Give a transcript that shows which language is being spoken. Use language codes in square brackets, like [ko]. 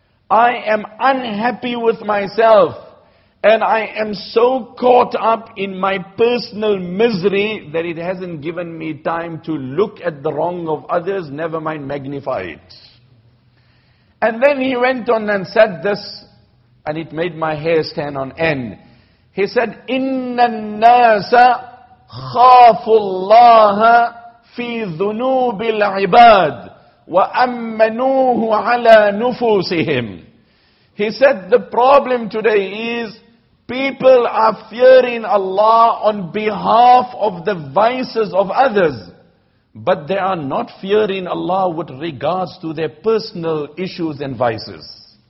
[en] I am unhappy with myself. And I am so caught up in my personal misery that it hasn't given me time to look at the wrong of others, never mind magnify it. And then he went on and said this, and it made my hair stand on end. He said, [ar] إِنَّ النَّاسَ خَافُ اللَّهَ فِي ذُنُوبِ الْعِبَادِ وَأَمَّنُوهُ عَلَى نُفُوسِهِمْ. [en] He said, the problem today is people are fearing Allah on behalf of the vices of others, but they are not fearing Allah with regards to their personal issues and vices.